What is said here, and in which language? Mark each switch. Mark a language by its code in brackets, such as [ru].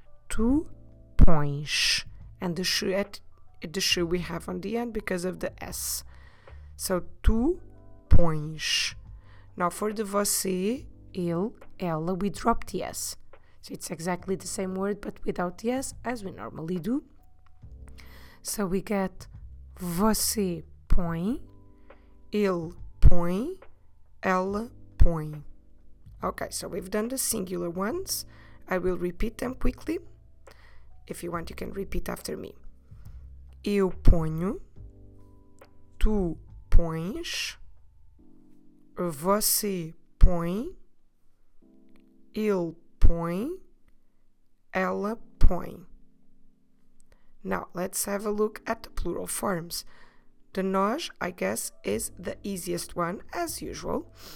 [pt] Tu pões. [en] And the sh we have on the end because of the S. So [pt] tu pões. [en] Now for the você, [pt] ele, ela, [en] we drop the S. So it's exactly the same word, but without the S, as we normally do. So we get [pt] você põe, ele põe, ela põe. [en] Okay, so we've done the singular ones. I will repeat them quickly. If you want, you can repeat after me. [pt] Eu ponho, tu pões, você põe, ele põe, ela põe. [en] Now, let's have a look at the plural forms. The nós, I guess, is the easiest one, as usual.